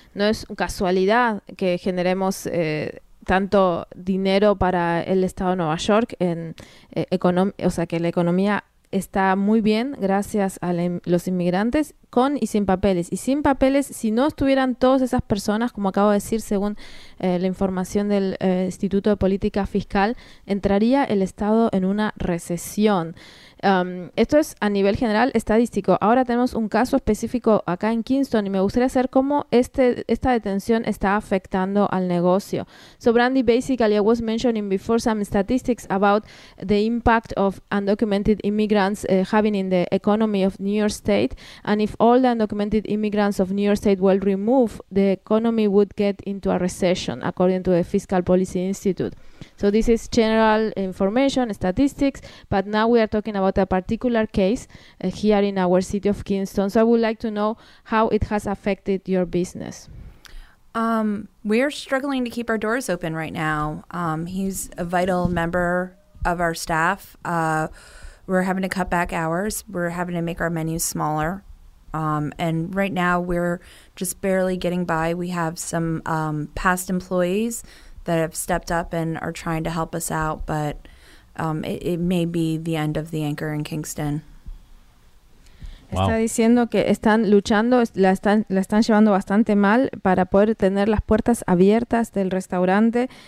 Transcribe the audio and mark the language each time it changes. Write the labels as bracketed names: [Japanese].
[Spanish] No es casualidad que generemos tanto dinero para el estado de Nueva York, que la economía está muy bien gracias a los inmigrantes con y sin papeles. Y sin papeles, si no estuvieran todas esas personas, como acabo de decir, según la información del Instituto de Política Fiscal, entraría el estado en una recesión. Esto es a nivel general estadístico. Ahora tenemos un caso específico acá en Kingston, y me gustaría saber cómo esta detención está afectando al negocio. [English] So Brandy, basically I was mentioning before some statistics about the impact of undocumented immigrants having in the economy of New York State, and if all the undocumented immigrants of New York State were removed, the economy would get into a recession according to the Fiscal Policy Institute. So this is general information, statistics, but now we are talking about a particular case here in our city of Kingston. So I would like to know how it has affected your business. We are struggling to keep our doors open right now. He's a vital member of our staff. We're having to cut back hours. We're having to make our menus smaller. And right now we're just barely getting by. We have some past employees that have stepped up and are trying to help us out, but it may be the end of the anchor in Kingston. Wow. [Spanish] Está diciendo que están luchando, la están llevando bastante mal para poder tener las puertas abiertas del restaurante.